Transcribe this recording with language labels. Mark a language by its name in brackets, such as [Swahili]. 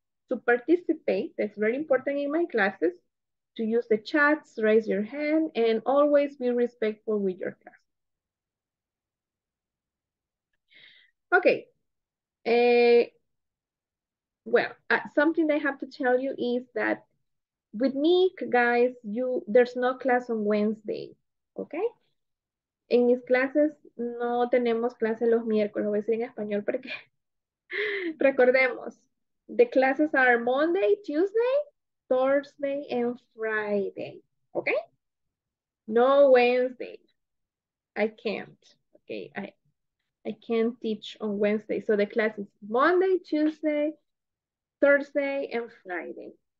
[English] To participate, that's very important in my classes, to use the chats, raise your hand, and always be respectful with your class. Okay. Well, something I have to tell you is that with me, guys, there's no class on Wednesday, okay? [Spanish] En mis clases no tenemos clase los miércoles, voy a decir en español porque recordemos. [English] The classes are Monday, Tuesday, Thursday, and Friday. Okay? No Wednesday. I can't. Okay, I can't teach on Wednesday. So the class is Monday, Tuesday, Thursday, and Friday.